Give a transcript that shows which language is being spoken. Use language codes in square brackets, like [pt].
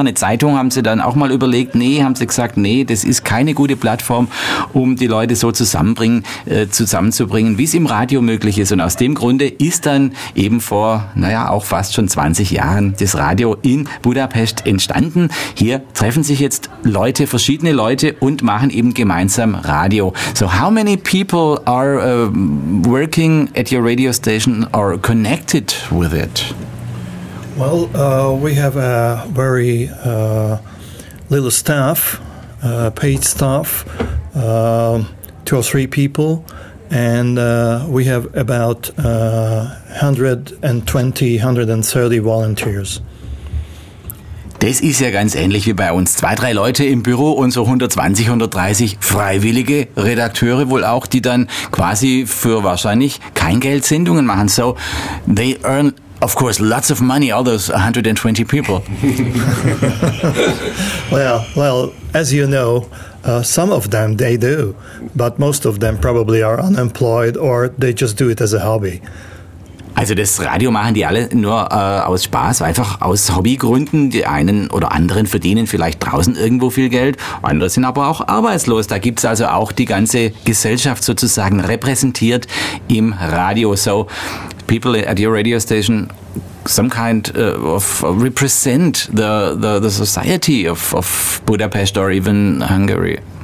[de] Eine Zeitung haben sie dann auch mal überlegt, nee, haben sie gesagt, nee, das ist keine gute Plattform, um die Leute so zusammenzubringen, wie es im Radio möglich ist. Und aus dem Grunde ist dann eben vor, naja, auch fast schon 20 Jahren das Radio in Budapest entstanden. Hier treffen sich jetzt Leute, verschiedene Leute, und machen eben gemeinsam Radio. [en] So how many people are working at your radio station or connected with it? Well, we have a very little staff, paid staff, two or three people, and we have about 120, 130 volunteers. [de] Das ist ja ganz ähnlich wie bei uns. Zwei, drei Leute im Büro und so 120, 130 freiwillige Redakteure wohl auch, die dann quasi für wahrscheinlich kein Geld Sendungen machen. [en] So, they earn, of course, lots of money, all those 120 people. well, as you know, some of them, they do. But most of them probably are unemployed or they just do it as a hobby. [de] Also das Radio machen die alle nur aus Spaß, einfach aus Hobbygründen. Die einen oder anderen verdienen vielleicht draußen irgendwo viel Geld, andere sind aber auch arbeitslos. Da gibt's also auch die ganze Gesellschaft sozusagen repräsentiert im Radio. [en] So, people at your radio station, some kind of represent the society of Budapest or even Hungary.